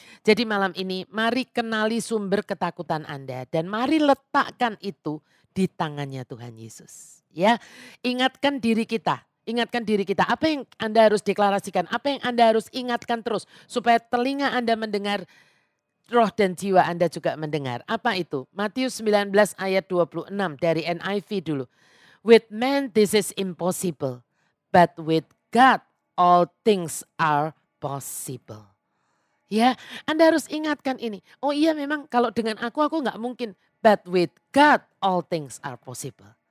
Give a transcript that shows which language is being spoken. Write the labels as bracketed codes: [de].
[id] Jadi malam ini mari kenali sumber ketakutan Anda dan mari letakkan itu di tangannya Tuhan Yesus. Ya. Ingatkan diri kita, ingatkan diri kita apa yang Anda harus deklarasikan, apa yang Anda harus ingatkan terus supaya telinga Anda mendengar, roh dan jiwa Anda juga mendengar. Apa itu? Matius 19 ayat 26 dari NIV dulu. [en] With man this is impossible, but with God all things are possible. [id] Ya, Anda harus ingatkan ini. Oh iya memang kalau dengan aku enggak mungkin. [en] But with God all things are possible.